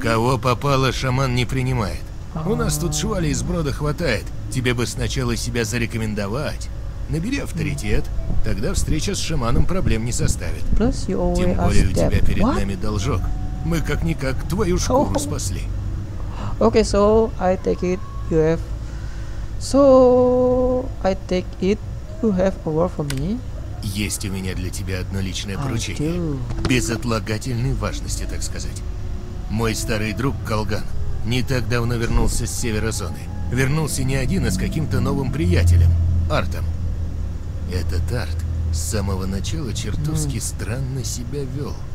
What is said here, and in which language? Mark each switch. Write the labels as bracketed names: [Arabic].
[Russian] Кого попало, шаман не принимает. У нас тут швали и сброда хватает. Тебе бы сначала себя зарекомендовать. Набери авторитет, тогда встреча с шаманом проблем не составит. Тем более у тебя перед нами должок. Мы как-никак твою шкуру спасли. [English] Okay, so I take it you have... So I take it you have a word for me? [Russian] Есть у меня для тебя одно личное поручение. Безотлагательной важности, так сказать. Мой старый друг Калган не так давно вернулся с северозоны. Вернулся не один, а с каким-то новым приятелем, Артом. Этот Арт с самого начала чертовски странно себя вел.